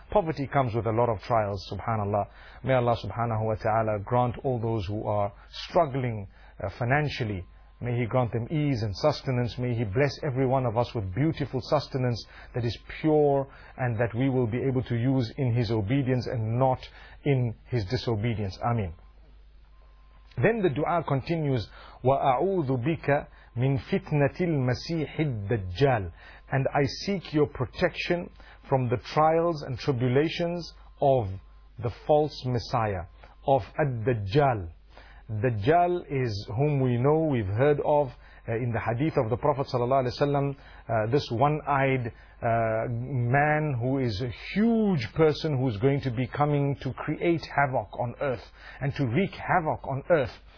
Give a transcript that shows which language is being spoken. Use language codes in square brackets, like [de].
[en] Poverty comes with a lot of trials, subhanallah. May Allah subhanahu wa ta'ala grant all those who are struggling financially, may He grant them ease and sustenance. May He bless every one of us with beautiful sustenance that is pure, and that we will be able to use in His obedience and not in His disobedience. Ameen. Then the dua continues, [ar] وَأَعُوذُ بِكَ مِنْ فِتْنَةِ الْمَسِيحِ الدَّجَّالِ. [en] And I seek your protection from the trials and tribulations of the false Messiah, of Ad-Dajjal. Dajjal is whom we know, we've heard of in the hadith of the Prophet sallallahu alaihi wasallam, this one-eyed man who is a huge person who is going to be coming to create havoc on earth and to wreak havoc on earth.